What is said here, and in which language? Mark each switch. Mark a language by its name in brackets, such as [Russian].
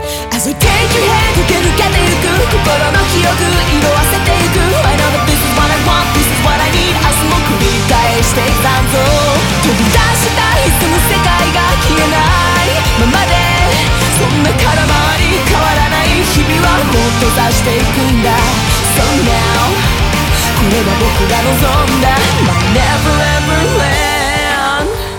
[English] As I take your hand, [Japanese] 駆け抜けてゆく心の記憶、色あせてゆく。 [English] I know that this is what I want, this is what I need. [Japanese] 明日も繰り返していく残像、飛び出したいその世界が消えないままで、そんな空回り変わらない日々はもっと出していくんだ。 [English] So now [Japanese] これが僕が望んだ [English] My never ever land。